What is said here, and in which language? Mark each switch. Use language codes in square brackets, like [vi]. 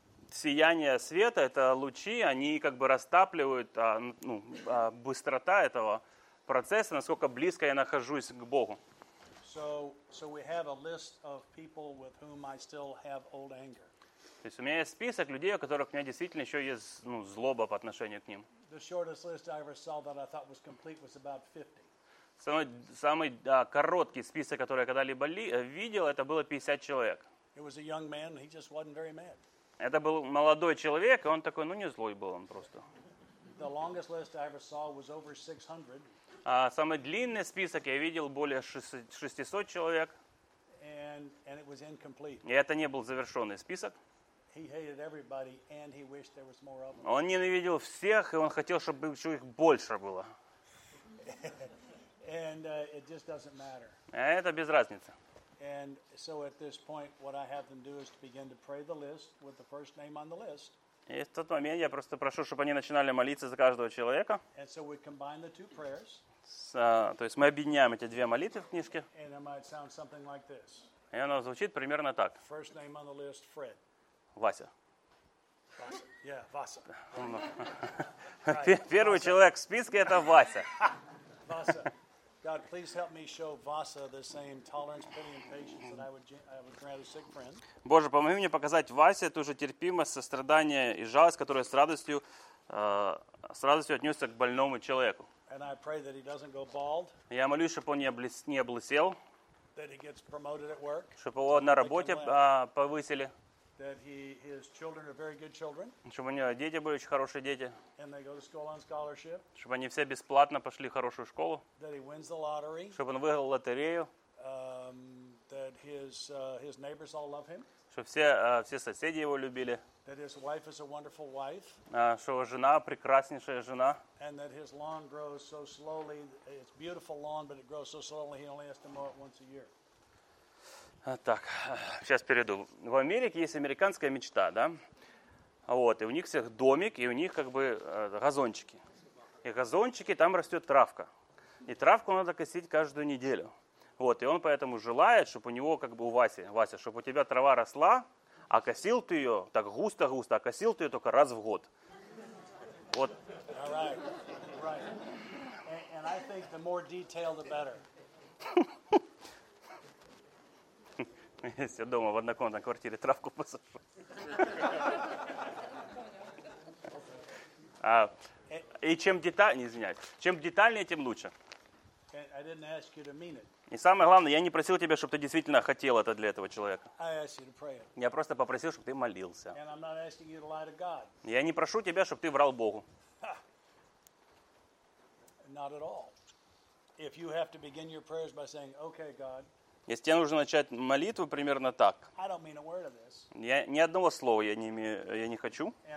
[ru] Сияние света, это лучи, они растапливают быстрота этого процесса, насколько близко я нахожусь к Богу. [en] So we have a list of people with whom I still have old anger. [ru] То есть у меня есть список людей, у которых у меня действительно еще есть злоба по отношению к ним. [en] The shortest list I ever saw that I thought was complete was about 50. [ru] Самый короткий список, который я когда-либо видел, это было 50 человек. [en] It was a young man, he just wasn't very mad. [ru] Это был молодой человек, и он такой, не злой был он просто. [en] The longest list I ever saw was over 600. [ru] Самый длинный список я видел более 600 человек. [en] And it was incomplete. [ru] И это не был завершенный список. [en] He hated everybody, and he wished there was more of them. [ru] Он ненавидел всех, и он хотел, чтобы их больше было. [en] And it just doesn't matter. [ru] Это без разницы. [en] And so at this point, what I have them do is to begin to pray the list with the first name on the list. [ru] И в тот момент я просто прошу, чтобы они начинали молиться за каждого человека. [en] And so we combine the two prayers. [ru] То есть мы объединяем эти две молитвы в книжке. [en] And it might sound something like this. [ru] И оно звучит примерно так. [en] First name on the list, Fred. [ru] Вася. Вася. Первый Vasa. Человек в списке – это Вася. Вася. [en] God, please help me show Vasa the same tolerance, pity, and patience that I would grant a sick friend. [ru] Боже, помоги мне показать Васе ту же терпимость, сострадание и жалость, которая с радостью отнесется к больному человеку. [en] And I pray that he doesn't go bald. [ru] Я молюсь, чтобы он не облысел. [en] That he gets promoted at work. [ru] Чтобы его на работе повысили. [en] That his children are very good children. [ru] Чтобы у него дети были очень хорошие дети. [en] And they go to school on scholarship. [ru] Чтобы они все бесплатно пошли в хорошую школу. [en] That he wins the lottery. [ru] Чтобы он выиграл лотерею. [en] That his neighbors all love him. [ru] Чтобы все соседи его любили. [en] That his wife is a wonderful wife. [ru] Что его жена прекраснейшая жена. [en] And that his lawn grows so slowly. It's beautiful lawn, but it grows so slowly. He only has to mow it once a year. [ru] Так, сейчас перейду. В Америке есть американская мечта, да? Вот, и у них всех домик, и у них газончики. И газончики, там растет травка. И травку надо косить каждую неделю. Вот, и он поэтому желает, чтобы у него, как бы у Васи, Вася, чтобы у тебя трава росла, а косил ты ее так густо-густо, а косил ты ее только раз в год. Вот. [en] All right. Right. And I think the more detail, the better. [ru] Я дома в однокомнатной квартире травку посажу. И чем детальнее, извиняюсь, чем детальнее, тем лучше. [en] I didn't ask you to mean it. [ru] И самое главное, я не просил тебя, чтобы ты действительно хотел это для этого человека. [en] I asked you to pray. [ru] Я просто попросил, чтобы ты молился. [en] And I'm not asking you to lie to God. [ru] Я не прошу тебя, чтобы ты врал Богу. [en] Not at all. If you have to begin your prayers by saying, "Okay, God." [ru] Если тебе нужно начать молитву примерно так, я ни одного слова я не хочу.